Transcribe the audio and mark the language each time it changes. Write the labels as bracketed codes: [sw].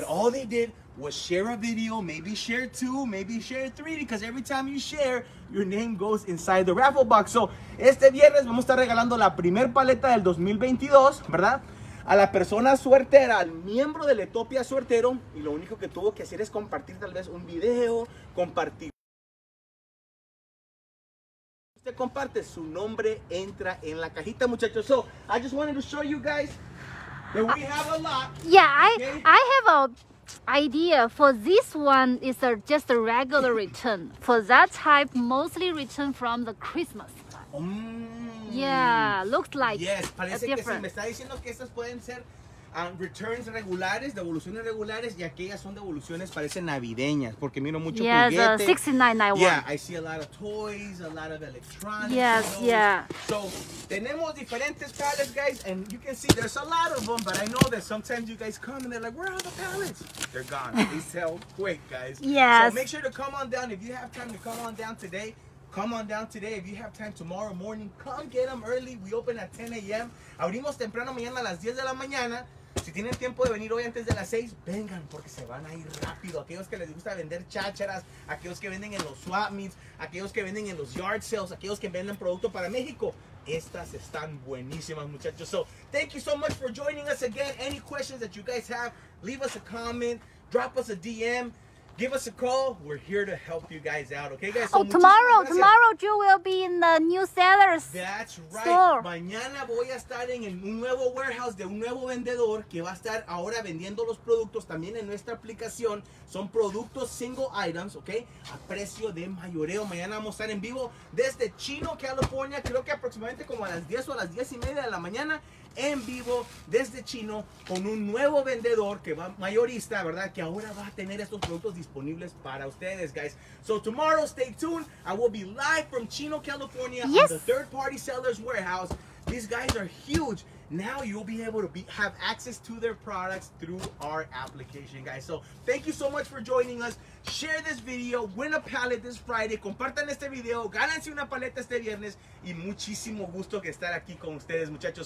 [en] That all they did was share a video, maybe share two, maybe share three, because every time you share, your name goes inside the raffle box. [es] So, este viernes vamos a estar regalando la primer paleta del 2022, ¿verdad? A la persona suertera, al miembro de Letopia suertero, y lo único que tuvo que hacer es compartir tal vez un video, compartir. Comparte su nombre, entra en la cajita, muchachos. [en] So I just wanted to show you guys that we have a lot. Yeah, okay? I have a idea for this one. Is a just a regular return for that type, mostly return from the Christmas. Yeah, looks like [es] yes, parece que different. Si me está diciendo que estas pueden ser returns regulares, devoluciones regulares, y aquellas son devoluciones, parecen navideñas, porque miro mucho juguete. Yes, 6991. [en] Yeah, I see a lot of toys, a lot of electronics. Yes, toys. Yeah. So, [es] tenemos diferentes pallets, [en] guys, and you can see there's a lot of them, but I know that sometimes you guys come and they're like, where are the pallets? They're gone. They sell quick, guys. Yes. So, make sure to come on down. If you have time to come on down today, come on down today. If you have time tomorrow morning, come get them early. We open at 10 a.m. [es] Abrimos temprano mañana a las 10 de la mañana. Si tienen tiempo de venir hoy antes de las 6, vengan, porque se van a ir rápido. Aquellos que les gusta vender chácharas, aquellos que venden en los swap meets, aquellos que venden en los yard sales, aquellos que venden producto para México, estas están buenísimas, muchachos. [en] So, thank you so much for joining us again. Any questions that you guys have, leave us a comment, drop us a DM, give us a call. We're here to help you guys out, okay, guys? So, tomorrow, you will be in the new sellers. That's right. Store. [es] Mañana voy a estar en un nuevo warehouse de un nuevo vendedor que va a estar ahora vendiendo los productos también en nuestra aplicación. Son productos single items, okay? A precio de mayoreo. Mañana vamos a estar en vivo desde Chino, California. Creo que aproximadamente como a las 10 o a las 10 y media de la mañana. En vivo desde Chino con un nuevo vendedor que va mayorista, ¿verdad? Que ahora va a tener estos productos disponibles para ustedes, guys. [en] So tomorrow, stay tuned. I will be live from Chino, California. Yes. On the third party seller's warehouse. These guys are huge. now you'll be able to have access to their products through our application, guys. So thank you so much for joining us. Share this video, win a pallet this Friday, [es] compartan este video, gánense una paleta este viernes, y muchísimo gusto que estar aquí con ustedes, muchachos.